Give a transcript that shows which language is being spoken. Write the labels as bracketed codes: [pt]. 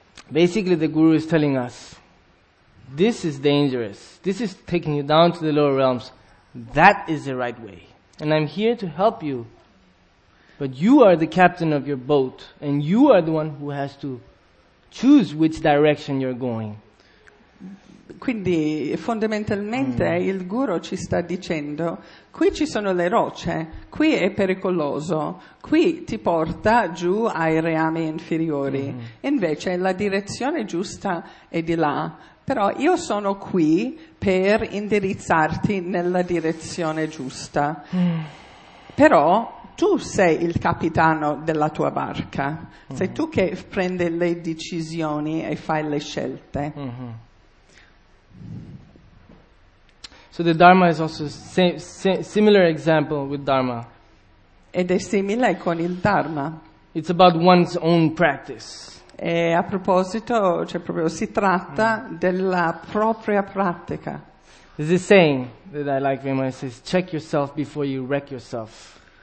[en] basically, the guru is telling us, this is dangerous. This is taking you down to the lower realms. That is the right way. And I'm here to help you. But you are the captain of your boat, and you are the one who has to choose which direction you're going. [it] Quindi, fondamentalmente, il guru ci sta dicendo, qui ci sono le rocce, qui è pericoloso, qui ti porta giù ai reami inferiori. Invece, la direzione giusta è di là. Però io sono qui per indirizzarti nella direzione giusta. Però, tu sei il capitano della tua barca. Sei tu che prende le decisioni e fai le scelte. [en] So the Dharma is also similar example with Dharma. [it] Ed è simile con il Dharma. [en] It's about one's own practice. [it] E a proposito, cioè proprio si tratta della propria pratica. [en] There's a saying that I like very much. It says, "Check yourself before you wreck yourself."